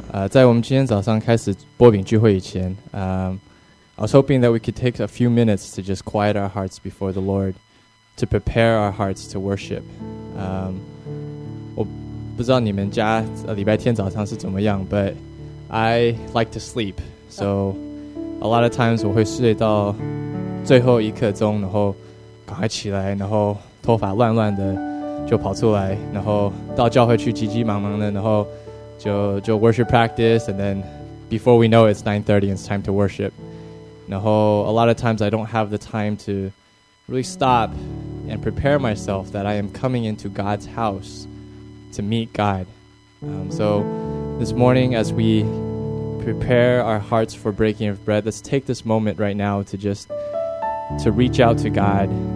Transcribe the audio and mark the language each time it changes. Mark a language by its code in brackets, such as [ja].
[zh] 在我们今天早上开始擘饼聚会以前， [en] I was hoping that we could take a few minutes to just quiet our hearts before the Lord, to prepare our hearts to worship. [zh] 我不知道你们家礼拜天早上是怎么样， [en] but I like to sleep. So a lot of times [zh] 我会睡到最后一刻钟，然后赶快起来，然后头发乱乱的就跑出来，然后到教会去急急忙忙的，然后就 [en] worship practice, and then before we know it, it's 9:30 and it's time to worship. [zh] 然后 [en] a lot of times I don't have the time to really stop and prepare myself that I am coming into God's house to meet God. So this morning as we prepare our hearts for breaking of bread, let's take this moment right now to just to reach out to God.